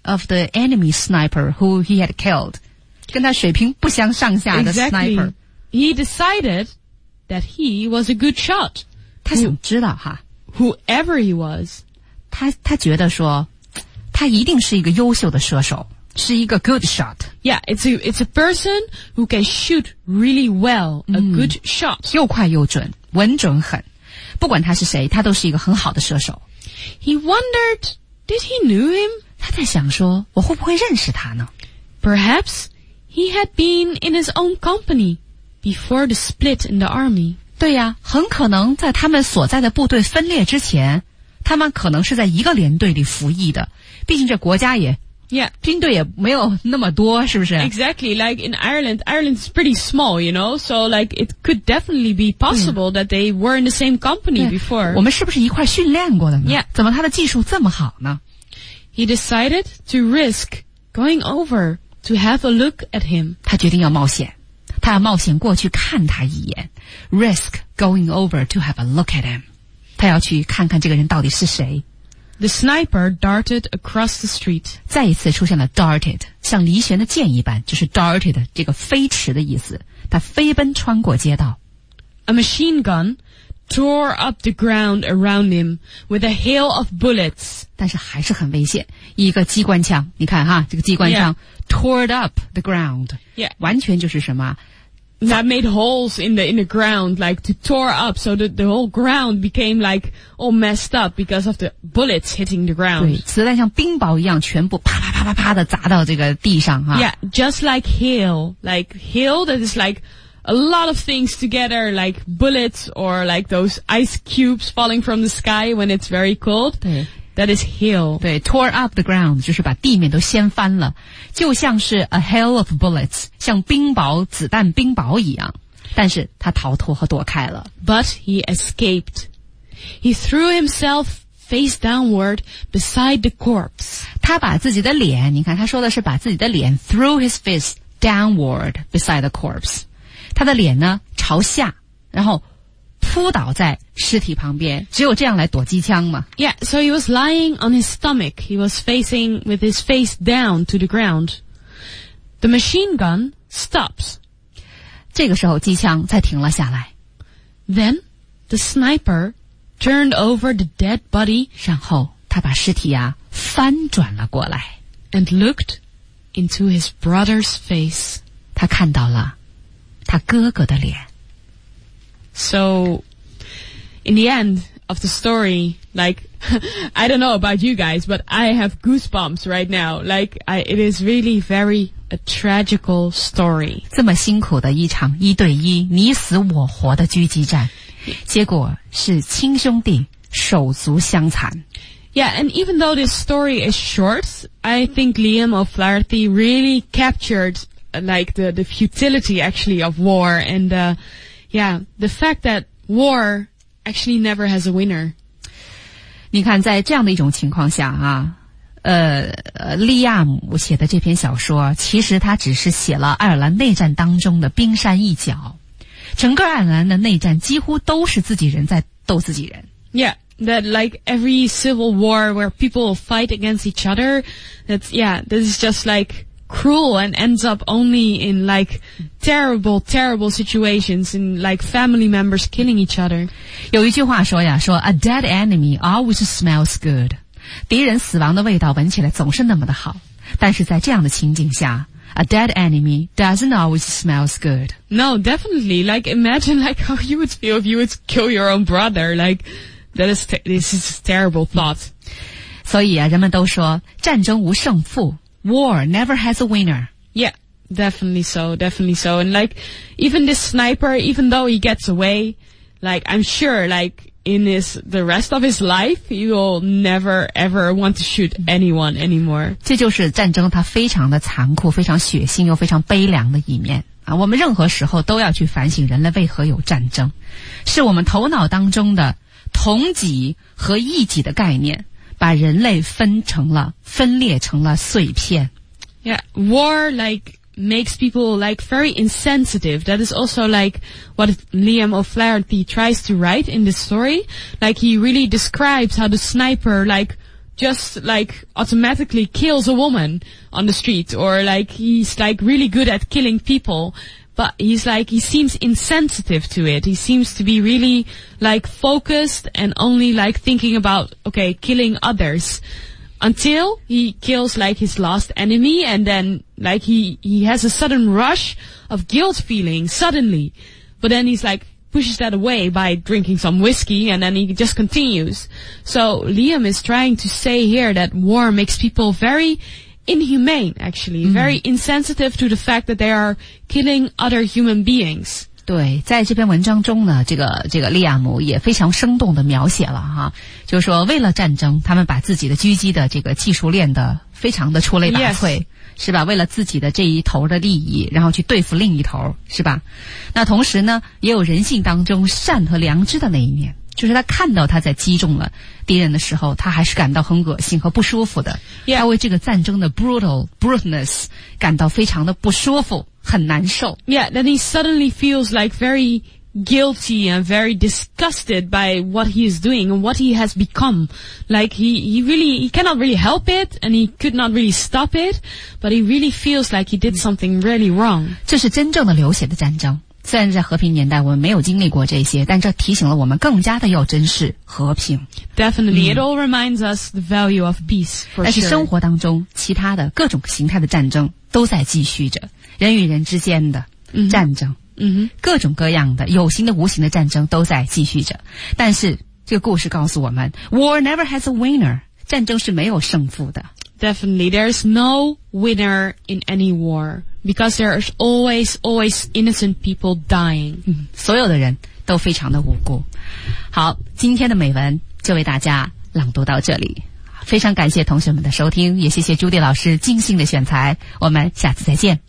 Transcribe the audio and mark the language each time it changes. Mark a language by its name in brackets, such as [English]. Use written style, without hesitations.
[English] exactly. of the enemy sniper who he had killed. [Chinese] 跟他水平不相上下的 sniper.、 [English] Exactly. He decided that he was a good shot. [Chinese] 他想知道哈。 [English] Whoever he was. [Chinese] 他觉得说他一定是一个优秀的射手是一个 [English] good shot. Yeah, it's a person who can shoot really well, a good shot. [Chinese] 又快又准稳准狠。不管他是谁他都是一个很好的射手。 [English] He wondered,Did he knew him? [Chinese] 他在想说我会不会认识他呢 [English] Perhaps he had been in his own company before the split in the army. [Chinese] 对呀很可能在他们所在的部队分裂之前他们可能是在一个连队里服役的毕竟这国家也 [English] Yeah. [Chinese] 军队也没有那么多是不是 [English] Exactly, like in Ireland, Ireland is pretty small, you know, so like it could definitely be possible that they were in the same company before. [Chinese] 我们是不是一块训练过的呢 [English] Yeah. [Chinese] 怎么他的技术这么好呢 [English] He decided to risk going over to have a look at him. [Chinese] 他决定要冒险他要冒险过去看他一眼 [English] Risk going over to have a look at him. [Chinese] 他要去看看这个人到底是谁 [English] The sniper darted across the street. [Chinese] 再一次出现了 darted, 像离弦的箭一般就是 darted, 这个飞驰的意思。他飞奔穿过街道。 [English] A machine gun tore up the ground around him with a hail of bullets. [Chinese] 但是还是很危险，一个机关枪，你看哈，这个机关枪、 [English] yeah. tore up the ground. Yeah. [Chinese] 完全就是什么 [English] That made holes in the ground, like to tore up, so that the whole ground became like all messed up because of the bullets hitting the ground. [Chinese] 对，子弹像冰雹一样，全部啪啪啪啪啪的砸到这个地上哈。 [English] Yeah, just like hail that is like,A lot of things together, like bullets or like those ice cubes falling from the sky when it's very cold. That is hail. [Chinese] 对 [English] tore up the ground, [Chinese] 就是把地面都掀翻了。就像是 [English] a hail of bullets, [Chinese] 像冰雹子弹冰雹一样。但是他逃脱和躲开了。 [English] But he escaped. He threw himself face downward beside the corpse. [Chinese] 他把自己的脸你看他说的是把自己的脸 [English] threw his face downward beside the corpse. [Chinese] 他的脸呢朝下然后扑倒在尸体旁边只有这样来躲机枪嘛 [English] Yeah, so he was lying on his stomach. He was facing with his face down to the ground. The machine gun stops. [Chinese] 这个时候机枪才停了下来。 [English] Then the sniper turned over the dead body. [Chinese] 然后他把尸体啊翻转了过来。 [English] And looked into his brother's face. [Chinese] 他看到了。他哥哥的脸。 [English] So, in the end of the story, like, I don't know about you guys, but I have goosebumps right now. Like, it is really very a tragical story. [Chinese] 这么辛苦的一场一对一你死我活的狙击战。结果是亲兄弟手足相残。 [English] Yeah, and even though this story is short, I think Liam O'Flaherty really captured... like the futility actually of war and the fact that war actually never has a winner [Chinese] 你看在这样的一种情况下啊利亚姆写的这篇小说其实他只是写了爱尔兰内战当中的冰山一角整个爱尔兰的内战几乎都是自己人在斗自己人 [English] yeah that like every civil war where people fight against each other this is just likecruel and ends up only in like terrible, terrible situations in like family members killing each other. [Chinese] 有一句话说呀说 [English] a dead enemy always smells good. [Chinese] 敌人死亡的味道闻起来总是那么的好。但是在这样的情景下 [English] a dead enemy doesn't always smells good. No, definitely. Like imagine like how you would feel if you would kill your own brother. Like that is, this is a terrible thought. [Chinese] 所以啊人们都说战争无胜负。 [English] War never has a winner. Yeah, definitely so, definitely so. And like, even this sniper, even though he gets away, like, I'm sure, like, in his, the rest of his life, he will never ever want to shoot anyone anymore. [Chinese] 这就是战争它非常的残酷非常血腥又非常悲凉的一面。啊，我们任何时候都要去反省人类为何有战争。是我们头脑当中的同己和异己的概念。把人类分成了分裂成了碎片 [English] Yeah, war like makes people like very insensitive. That is also like what Liam O'Flaherty tries to write in this story. Like he really describes how the sniper like just like automatically kills a woman on the street or like he's like really good at killing people. But he's like, he seems insensitive to it. He seems to be really... like focused and only like thinking about okay killing others until he kills like his last enemy and then like he has a sudden rush of guilt feeling suddenly but then he's like pushes that away by drinking some whiskey and then he just continues so Liam is trying to say here that war makes people very inhumane actually mm-hmm. very insensitive to the fact that they are killing other human beings [Chinese] 对在这篇文章中呢这个利亚姆也非常生动地描写了哈就是说为了战争他们把自己的狙击的这个技术练得非常的出类拔萃、 [English] yes. [Chinese] 是吧为了自己的这一头的利益然后去对付另一头是吧那同时呢也有人性当中善和良知的那一面就是他看到他在击中了敌人的时候他还是感到很恶心和不舒服的、 [English] yeah. [Chinese] 他为这个战争的 brutalness 感到非常的不舒服很难受 [English] Yeah, then he suddenly feels like very guilty and very disgusted by what he is doing and what he has become. Like he cannot really help it and he could not really stop it, but he really feels like he did something really wrong. [Chinese] 这是真正的流血的战争。虽然在和平年代我们没有经历过这些，但这提醒了我们更加的要珍视和平。 [English] Definitely,、it all reminds us the value of peace, for sure. [Chinese] 但是生活当中其他的各种形态的战争都在继续着，人与人之间的战争、各种各样的有形的无形的战争都在继续着。但是这个故事告诉我们 [English] War never has a winner, [Chinese] 战争是没有胜负的。 [English] Definitely, there's no winner in any war, because there's always, always innocent people dying.、 [Chinese] 所有的人都非常的无辜。好，今天的美文就为大家朗读到这里。非常感谢同学们的收听，也谢谢朱迪老师精心的选材。我们下次再见。